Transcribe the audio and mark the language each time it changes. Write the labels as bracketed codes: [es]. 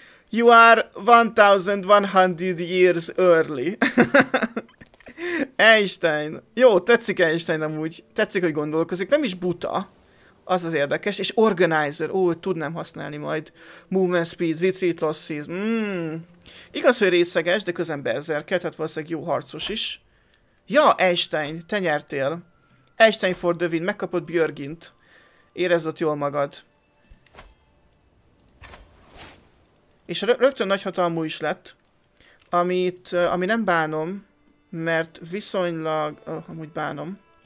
[en] You are 1100 years early. Einstein. [hu] Jó, tetszik Einstein amúgy. Tetszik, hogy gondolkozik. Nem is buta. Az az érdekes. És organizer. Ó, tudnám használni majd. [en] Movement speed, retreat losses. [hu] Igaz, hogy részeges, de közben berserker, tehát valószínűleg jó harcos is. Ja, Einstein, te nyertél. [en] Einstein for the win. [hu] Megkapod Björgint. Érezd ott jól magad. És rögtön nagyhatalmú is lett, ami nem bánom, mert viszonylag, amúgy bánom.